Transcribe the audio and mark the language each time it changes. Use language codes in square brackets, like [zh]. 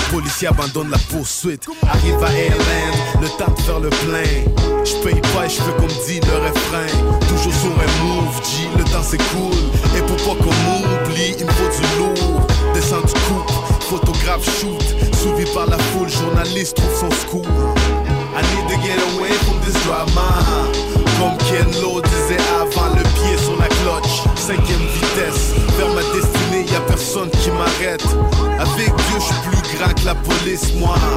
[fr] Policiers abandonnent la poursuite. Arrive à Airland, le temps de faire le plein. J'paye pas et j'fais comme dit le refrain. Toujours sur un move, G, le temps s'écoule. Et pour pas qu'on m'oublie, il me faut du lourd. Descends du coupe, photographe shoot. Suivi par la foule, journaliste trouve son scoop. [en] I need to get away from this drama. [fr] Comme Ken Lo disait avant, le pied sur la clutch. Cinquième vitesse, vers ma destinée, y'a personne qui m'arrête. Avec Dieu, j'suis plus grand que la police, moi.